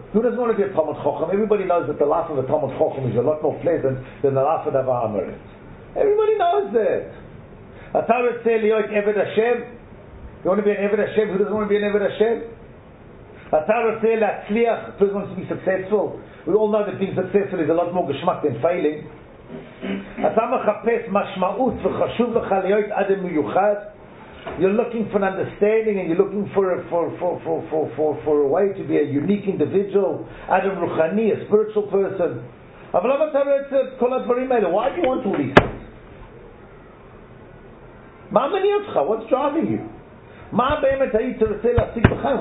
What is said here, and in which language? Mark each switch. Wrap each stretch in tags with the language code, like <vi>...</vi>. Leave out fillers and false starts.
<en>Who doesn't want to be a תלמיד חוכם? Everybody knows that the life of a תלמיד חוכם is a lot more pleasant than the life of a אמרת. Everybody knows that.</en> <he>אתה רוצה להיות עבד השם?</he> <en>You want to be an עבד השם? Who doesn't want to be an עבד השם?</en> <he>אתה רוצה להצליח?</he> <en>Who wants to be successful? We all know that being successful is a lot more geschmack than failing.</en> <he>אתה מחפש משמעות וחשוב לך להיות אדם מיוחד?</he> <en>You're looking for an understanding and you're looking for a way to be a unique individual, Adam Ruchani, a spiritual person.</en> <he>Aber lama ta rotze kol hadvarim haele?</he> <en>Why do you want all these things?</en> <he>Ma mani otcha?</he> <en>What's driving you?</en> <he>Ma baemet hayit rotze lasik b'chaim?</he>